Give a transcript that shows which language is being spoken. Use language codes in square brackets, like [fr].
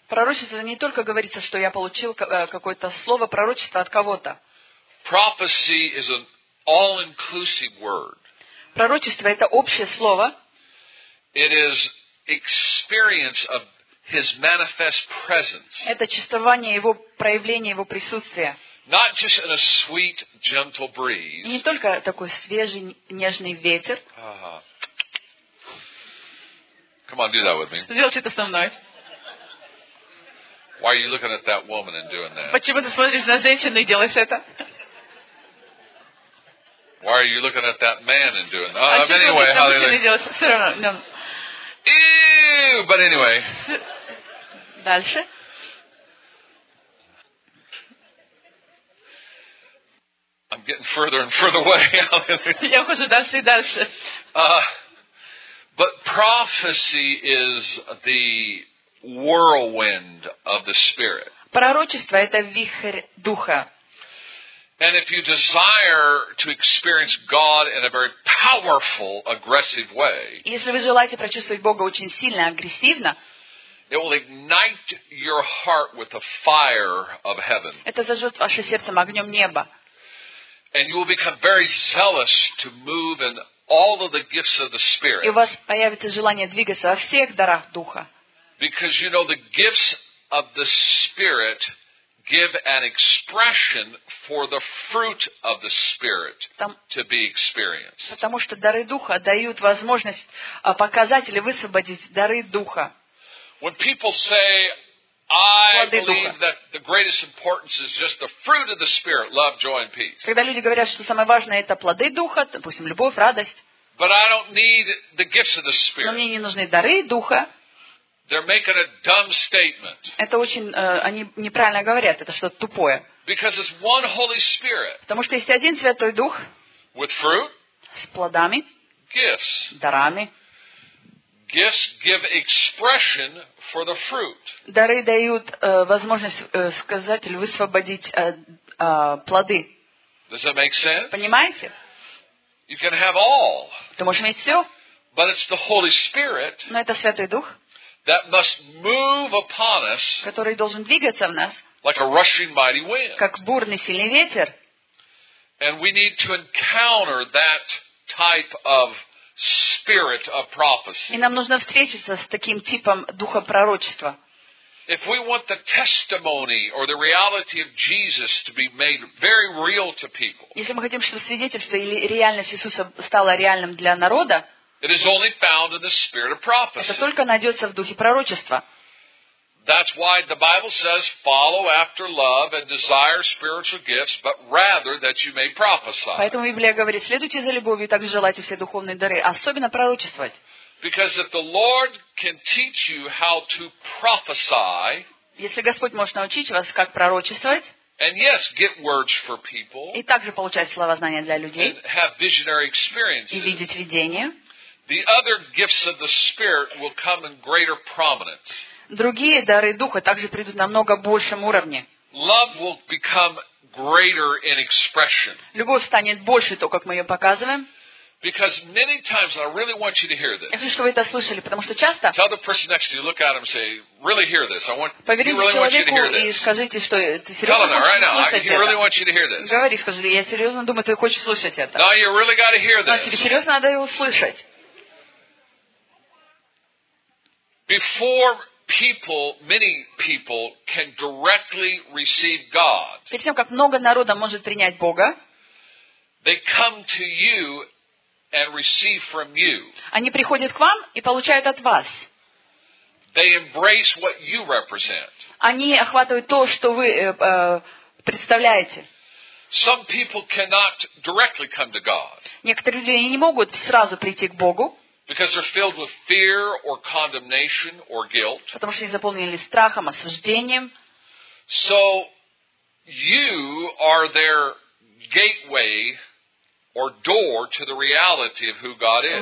[ru] Пророчество не только говорится, что я получил какое-то слово пророчества от кого-то. [en] Prophecy is an all-inclusive word. [ru] Пророчество это общее слово. [en] It is experience of His manifest presence. [ru] Это чувствование его проявления его присутствия. [en] Not just in a sweet, gentle breeze. [ru] Не только такой свежий нежный ветер. [en] Come on, do that with me. [ru] Сделайте это со мной. [en] Why are you looking at that woman and doing that? [ru] Почему ты смотришь на женщину и делаешь это? [en] Why are you looking at that man and doing that? [ru] А anyway, почему ты смотришь на женщину и делаешь это? Все равно. [en] Ew, but anyway. [ru] Дальше. [en] I'm getting further and further away. [ru] Я хожу дальше и дальше. [en] But prophecy is the whirlwind of the Spirit. [ru] Пророчество это вихрь духа. [en] And if you desire to experience God in a very powerful, aggressive way, [ru] если вы желаете прочувствовать Бога очень сильно, агрессивно, [en] it will ignite your heart with the fire of heaven. [ru] Это зажжет ваше сердце огнем неба. [en] And you will become very zealous to move in all of the gifts of the Spirit. [ru] И у вас появится желание двигаться во всех дарах духа. [en] Because you know the gifts of the Spirit give an expression for the fruit of the Spirit to be experienced. [ru] Потому что дары духа дают возможность показать или высвободить дары духа. [en] When people say, I believe that the greatest importance is just the fruit of the Spirit, love, joy, and peace. [ru] Когда люди говорят, что самое важное это плоды духа, допустим, любовь, радость. [en] But I don't need the gifts of the Spirit. [ru] Но мне не нужны дары духа. [en] They're making a dumb statement. [ru] Это очень, они неправильно говорят, это что-то тупое. [en] Because it's one Holy Spirit. [ru] Потому что есть один Святой Дух. [en] With fruit. [ru] С плодами. [en] Gifts. [ru] Дарами. [en] Gifts give expression for the fruit. [ru] Дары дают возможность сказать или высвободить плоды. [en] Does that make sense? [ru] Понимаете? [en] You can have all. [ru] Ты можешь иметь все. [en] But it's the Holy Spirit. [ru] Но это Святой Дух. [en] That must move upon us, [ru] который должен двигаться в нас, [en] like a rushing mighty wind, [ru] как бурный сильный ветер. [en] And we need to encounter that type of spirit of prophecy. [ru] И нам нужно встретиться с таким типом духа пророчества. [en] If we want the testimony or the reality of Jesus to be made very real to people, [ru] если мы хотим, чтобы свидетельство или реальность Иисуса стала реальным для народа. [en] It is only found in the spirit of prophecy. [ru] Это только найдется в духе пророчества. [en] That's why the Bible says, follow after love and desire spiritual gifts, but rather that you may prophesy. [ru] Поэтому Библия говорит, следуйте за любовью, также желайте все духовные дары, особенно пророчествовать. [en] Because if the Lord can teach you how to prophesy, [ru] если Господь может научить вас, как пророчествовать, [en] and yes, get words for people, [ru] и также получать слова знания для людей, [en] and have visionary experiences, [ru] и видеть видения, [en] the other gifts of the Spirit will come in greater prominence. [ru] Другие дары духа также придут на намного большем уровне. [en] Love will become greater in expression. [ru] Любовь станет больше то, как мы ее показываем. [en] Because many times I really want you to hear this. [ru] Я хочу, чтобы вы это слышали, потому что часто. [en] Tell the person next to you, look at him, say, really hear this. I want. [ru] Поверьте [en] really [ru] человеку [en] want you to hear [ru] и скажите, что ты серьезно [en] Tell him [ru] хочешь [en] right [ru] слушать [en] now. [ru] Это. [en] Really want you to hear this. [ru] Говори, скажи, я серьезно думаю, ты хочешь слушать это. [en] No, you really got to hear this. [ru] Но тебе серьезно надо его услышать. [en] Before people, many people can directly receive God. [ru] Перед тем, как много народа может принять Бога, [en] they come to you and receive from you. [ru] Они приходят к вам и получают от вас. [en] They embrace what you represent. [ru] Они охватывают то, что вы представляете. [en] Some people cannot directly come to God. [ru] Некоторые люди не могут сразу прийти к Богу. [en] Because they're filled with fear or condemnation or guilt. [ru] Потому что они заполнены страхом, осуждением. [en] So you are their gateway or door to the reality of who God is.